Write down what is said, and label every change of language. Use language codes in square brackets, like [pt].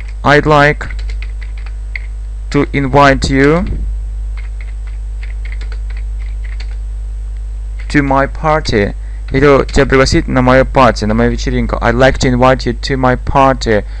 [en] I'd like to invite you to my party. [ru] Я хотел тебя пригласить на мою party, на мою вечеринку. [en] I'd like to invite you to my party.